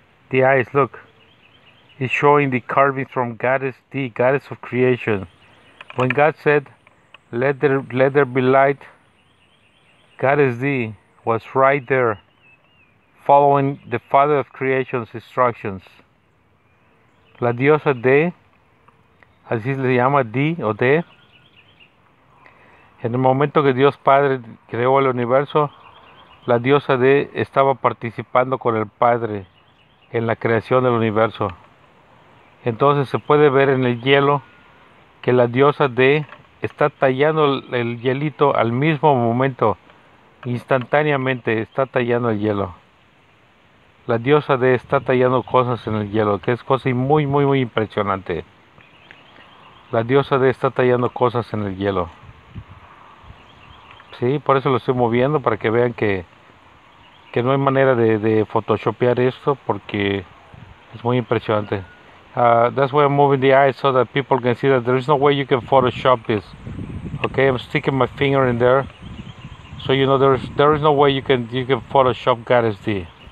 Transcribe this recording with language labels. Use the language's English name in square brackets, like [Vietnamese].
[English] The ice, look. It's showing the carvings from Gaddis D, goddess of creation. When God said, let there be light, Gaddis D was right there following the Father of Creation's instructions. [Spanish] La diosa D, así se le llama D o D. En el momento que Dios Padre creó el universo, la diosa D estaba participando con el Padre en la creación del universo. Entonces se puede ver en el hielo que la diosa D está tallando el hielito al mismo momento, instantáneamente está tallando el hielo. La diosa D está tallando cosas en el hielo, que es cosa muy, muy, muy impresionante. La diosa D está tallando cosas en el hielo. Sí, por eso lo estoy moviendo, para que vean que no hay manera de photoshopear esto, porque es muy impresionante. [English] That's why I'm moving the eyes so that people can see that there is no way you can photoshop this. Okay, I'm sticking my finger in there, so you know there is no way you can photoshop Gaddis D.